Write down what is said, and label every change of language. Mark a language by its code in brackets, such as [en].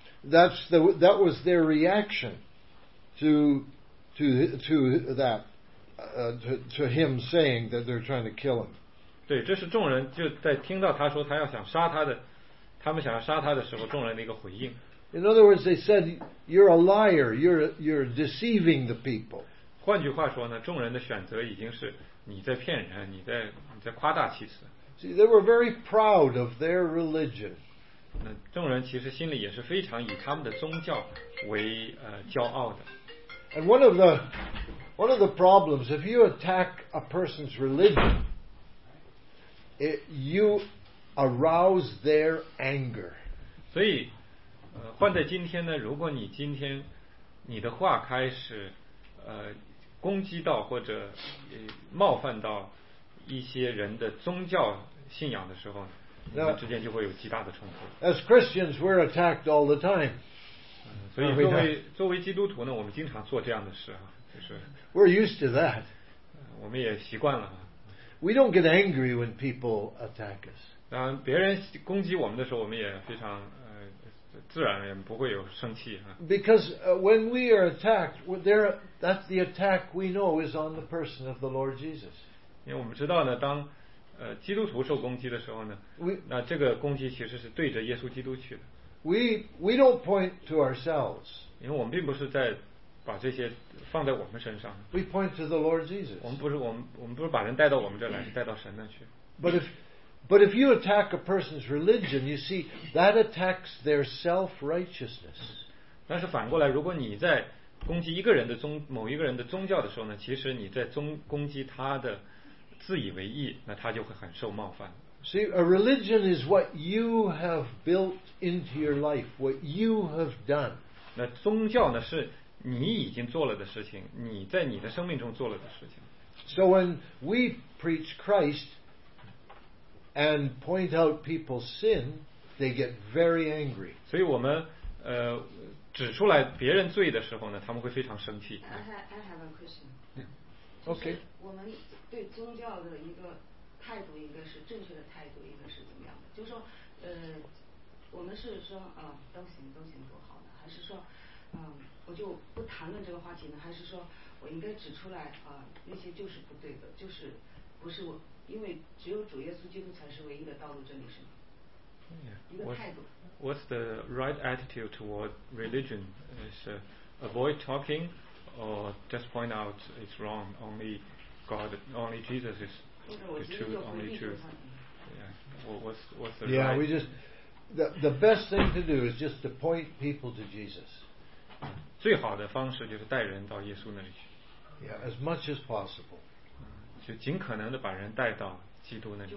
[en] That was their reaction to him saying that they're trying to kill him. [zh] 对，这是众人就在听到他说他要想杀他的，他们想要杀他的时候，众人的一个回应。 [en] In other words, they said, "You're a liar. You're deceiving the people." [zh] 换句话说呢，众人的选择已经是你在骗人，你在夸大其词。 [en] See, they were very proud of their religion. [zh] 众人其实心里也是非常以他们的宗教为骄傲的。 [en] And one of the problems, if you attack a person's religion, you arouse their anger. [zh] 所以，换在今天呢，如果你今天你的话开始攻击到或者冒犯到一些人的宗教信仰的时候呢？ [en] Now, as Christians, we're attacked all the time. [zh] 所以作为基督徒呢，我们经常做这样的事啊，就是。 [en] We're used to that. [zh] 我们也习惯了。 [en] We don't get angry when people attack us. [zh] 当别人攻击我们的时候，我们也非常自然，也不会有生气啊。 [en] Because when we are attacked, that's the attack we know is on the person of the Lord Jesus. [zh] 因为我们知道呢，当基督徒受攻击的时候呢，那这个攻击其实是对着耶稣基督去的。 [en] We don't point to ourselves， [zh] 因为我们并不是在把这些放在我们身上。 [en] We point to the Lord Jesus。 [zh] 我们不是把人带到我们这来，是带到神那去。 [en] But if you attack a person's religion, you see that attacks their self righteousness。 [zh] 但是反过来，如果你在攻击某一个人的宗教的时候呢，其实你在攻击他的。自以为意，那他就会很受冒犯。 [en] See, a religion is what you have built into your life, what you have done. [zh] 那宗教呢，是你已经做了的事情，你在你的生命中做了的事情。 [en] So when we preach Christ and point out people's sin, they get very angry. [zh] 所以我们指出来别人罪的时候呢，他们会非常生气。 [en] I have a question. OK. [zh] 我们对宗教的一个态度，一个是正确的态度，一个是怎么样的？就是说，我们是说啊，都行多好呢？还是说，我就不谈论这个话题呢？还是说我应该指出来啊，那些就是不对的，就是不是我，因为只有主耶稣基督才是唯一的道路真理，是吗？ [en] Yeah. [zh] 一个态度。 [en] What's the right attitude toward religion? Is avoid talking or just point out it's wrong only? God, only Jesus is the truth, only truth. Yeah, what's the yeah, right? Yeah, we just, the best thing to do is just to point people to Jesus. [zh] 最好的方式就是带人到耶稣那里去。 [en] Yeah, as much as possible. [zh] 就尽可能的把人带到基督那里去。